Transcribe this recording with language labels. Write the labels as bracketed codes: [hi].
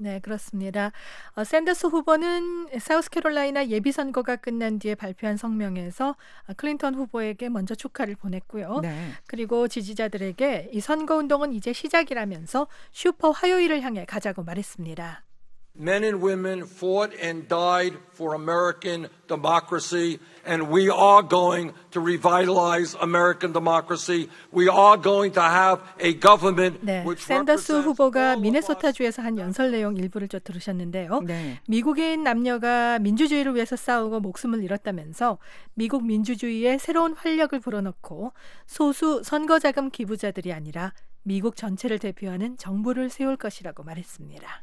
[ko] 네, 그렇습니다. 샌더스 후보는 사우스 캐롤라이나 예비선거가 끝난 뒤에 발표한 성명에서 클린턴 후보에게 먼저 축하를 보냈고요. 네. 그리고 지지자들에게 이 선거 운동은 이제 시작이라면서 슈퍼 화요일을 향해 가자고 말했습니다. [en] Men and women fought and died for American democracy, and we are going to revitalize American democracy. We are going to have a government which represents. [ko] 샌더스 후보가 미네소타주에서 한 연설 내용 일부를 좀 들으셨는데요. 네. 미국인 남녀가 민주주의를 위해서 싸우고 목숨을 잃었다면서 미국 민주주의에 새로운 활력을 불어넣고 소수 선거자금 기부자들이 아니라 미국 전체를 대표하는 정부를 세울 것이라고 말했습니다.